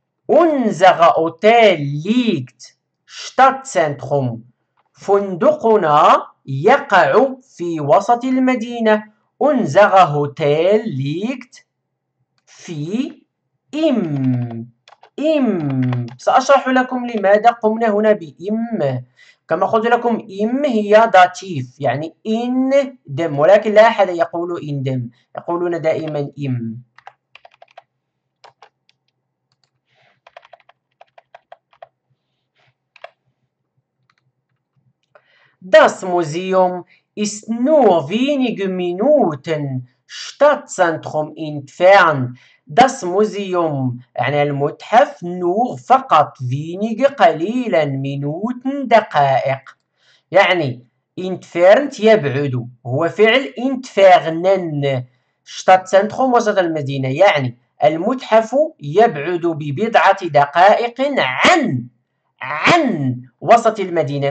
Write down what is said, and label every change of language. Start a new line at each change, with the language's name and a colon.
German: Unser Hotel liegt Stadtzentrum.
Arabic: فندقنا يقع في وسط المدينة.
German: Unser Hotel liegt
Arabic: في إم إم. سأشرح لكم لماذا قمنا هنا بإم. كما قلت لكم إم هي داتيف يعني إن دم، ولكن لا أحد يقول إن دم، يقولون دائما إم.
German: Das Museum ist nur wenige Minuten Stadtzentrum entfernt. Das Museum
Arabic: يعني المتحف، nur فقط wenige قليلا Minuten دقائق، يعني entfernt يبعد، هو فعل entfernen Stadtzentrum وسط المدينة، يعني المتحف يبعد ببضعة دقائق عن وسط المدينة.